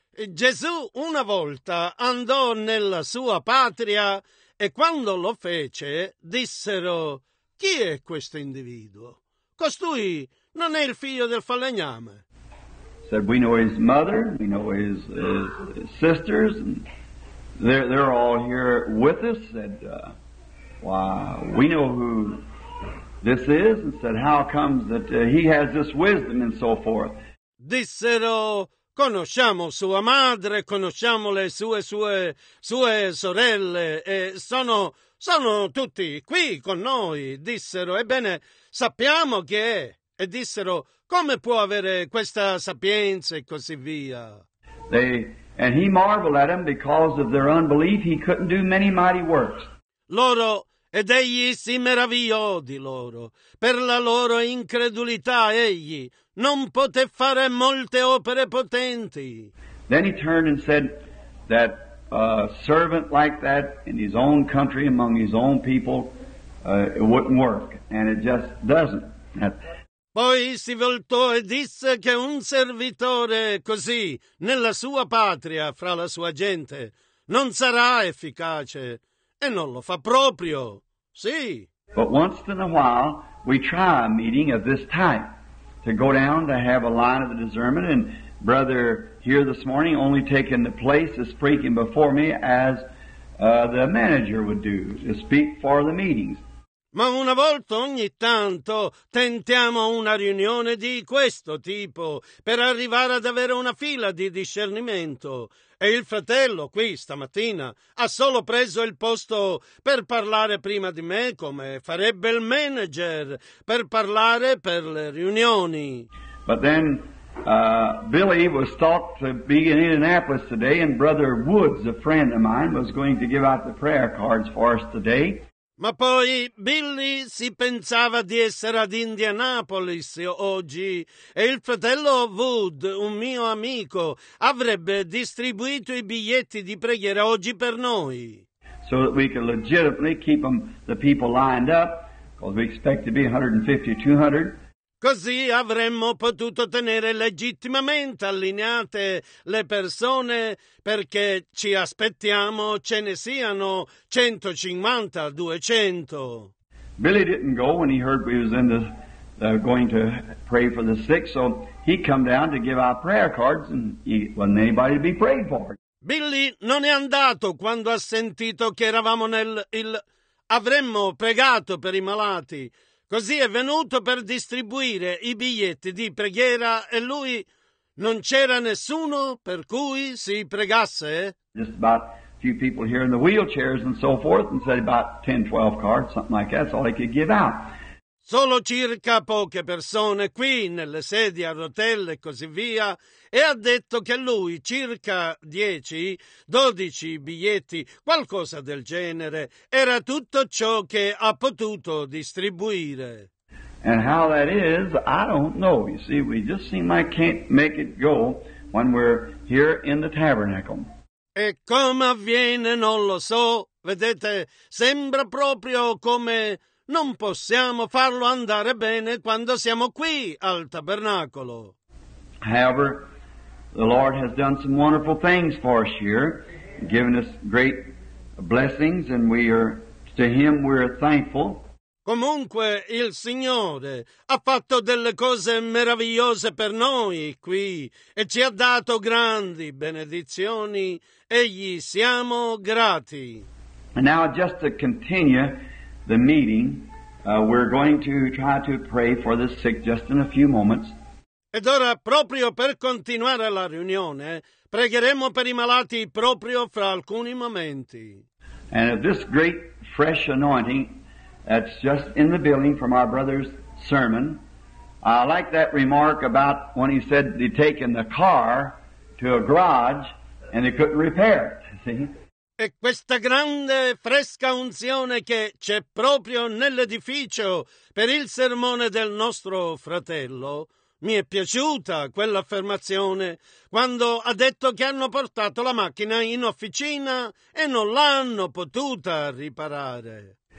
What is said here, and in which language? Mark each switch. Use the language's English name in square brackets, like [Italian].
[Italian] Gesù una volta andò nella sua patria e quando lo fece dissero: "Chi è questo individuo? Costui non è il figlio del falegname." [English] Said, "We know his mother, we know his sisters, and they're all here with us." Said, "Wow, we know who this is," and said, "How comes that he has this wisdom," and so forth. [Italian] Dissero, "Conosciamo sua madre, conosciamo le sue sorelle, e sono tutti qui con noi." Dissero, "Ebbene, sappiamo chi è." E dissero, "Come può avere questa sapienza?" E così via. [English] And he marveled at them because of their unbelief. He couldn't do many mighty works. [Italian] Loro, ed egli si meravigliò di loro. Per la loro incredulità, egli non poté fare molte opere potenti. [English] Then he turned and said that a servant like that in his own country, among his own people, it wouldn't work. And it just doesn't. [Italian] Poi si voltò e disse che un servitore così, nella sua patria, fra la sua gente, non sarà efficace. E non lo fa proprio. Sì. [English] But once in a while, we try a meeting of this type. To go down to have a line of the discernment, and brother here this morning only taking the place of speaking before me as the manager would do, to speak for the meetings. [Italian] Ma una volta ogni tanto tentiamo una riunione di questo tipo per arrivare ad avere una fila di discernimento. E il fratello qui stamattina ha solo preso il posto per parlare prima di me, come farebbe il manager per parlare per le riunioni. [English] But then Billy was thought to be in Indianapolis today, and Brother Woods, a friend of mine, was going to give out the prayer cards for us today. [Italian] Ma poi Billy si pensava di essere ad Indianapolis oggi e il fratello Wood, un mio amico, avrebbe distribuito i biglietti di preghiera oggi per noi. [English] So that we could legitimately keep them, the people lined up, because we expect to be 150-200. [Italian] Così avremmo potuto tenere legittimamente allineate le persone perché ci aspettiamo ce ne siano 150-200. [English] Billy didn't go when he heard we was in the going to pray for the sick, so he come down to give our prayer cards and he wasn't anybody to be prayed for. [Italian] Billy non è andato quando ha sentito che eravamo nel il avremmo pregato per i malati. Così è venuto per distribuire i biglietti di preghiera e lui non c'era nessuno per cui si pregasse. [English] Just about a few people here in the wheelchairs and so forth, and said about 10-12 cards, something like that, that's all he could give out. [Italian] Solo circa poche persone qui nelle sedie a rotelle e così via, e ha detto che lui circa 10-12 biglietti, qualcosa del genere, era tutto ciò che ha potuto distribuire. [English] And how that is, I don't know. You see, we just seem like can't make it go when we're here in the tabernacle. [Italian] E come avviene, non lo so. Vedete, sembra proprio come non possiamo farlo andare bene quando siamo qui al tabernacolo. [English] However, the Lord has done some wonderful things for us here, given us great blessings, and we are to Him we are thankful. [Italian] Comunque, il Signore ha fatto delle cose meravigliose per noi qui e ci ha dato grandi benedizioni e gli siamo grati. [English] And now, just to continue the meeting, we're going to try to pray for the sick just in a few moments. [Italian] Ed ora, proprio per continuare la riunione, pregheremo per i malati proprio fra alcuni momenti. [English] And if this great fresh anointing that's just in the building from our brother's sermon, I like that remark about when he said he'd taken the car to a garage and they couldn't repair it, see? [Italian] E questa grande fresca unzione che c'è proprio nell'edificio per il sermone del nostro fratello, mi è piaciuta quell'affermazione quando ha detto che hanno portato la macchina in officina e non l'hanno potuta riparare.